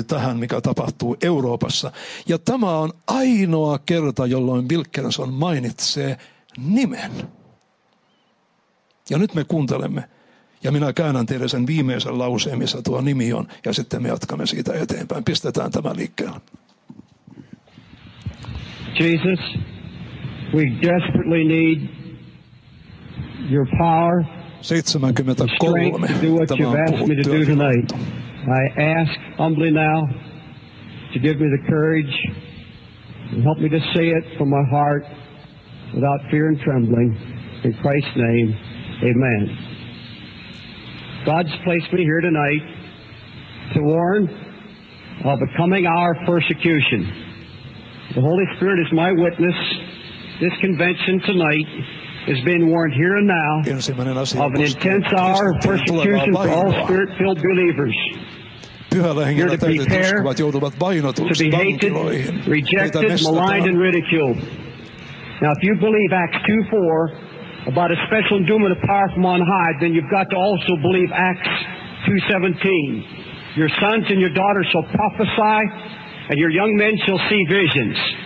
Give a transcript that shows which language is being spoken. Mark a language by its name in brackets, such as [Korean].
[Finnish] liittyy tähän, mikä tapahtuu Euroopassa. Ja tämä on ainoa kerta, jolloin Wilkinson mainitsee nimen. Ja nyt me kuuntelemme. Ja minä käännän teille sen viimeisen lauseen, missä tuo nimi on. Ja sitten me jatkamme siitä eteenpäin. Pistetään tämä liikkeelle. [English] Jesus, we desperately need your power. 73. [Finnish] Tämä on puhuttu. [English] I ask humbly now to give me the courage and help me to say it from my heart without fear and trembling. In Christ's name, amen. God's placed me here tonight to warn of a coming hour of persecution. The Holy Spirit is my witness. This convention tonight is being warned here and now of an intense hour of persecution for all spirit-filled believers. [Finnish] Pyhällä hengellä täydet uskovat joutuvat vainotuksi vankiloihin. Heitä mestataan. [English] Now if you believe Acts 2:4 about a special endowment of power from on high, then you've got to also believe Acts 2:17. Your sons and your daughters shall prophesy, and your young men shall see visions.